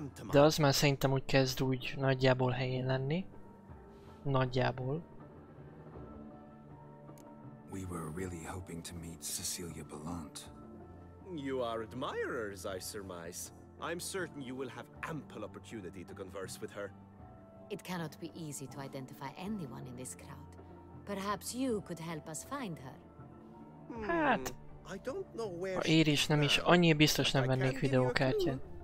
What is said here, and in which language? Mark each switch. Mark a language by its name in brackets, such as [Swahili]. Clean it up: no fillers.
[Hungarian] De az már szerintem úgy kezd úgy nagyjából helyén lenni. Nagyjából. [English] We were really hoping to meet Cecilia Belont. You are admirers, I surmise. I'm certain you will have ample opportunity to converse with her. It cannot be easy to identify anyone in this crowd. Perhaps you could help us find her. [Hungarian] Hát, [English] I don't know where. [Hungarian] Ha ér is, nem is, annyi biztos nem vennék videókártyát.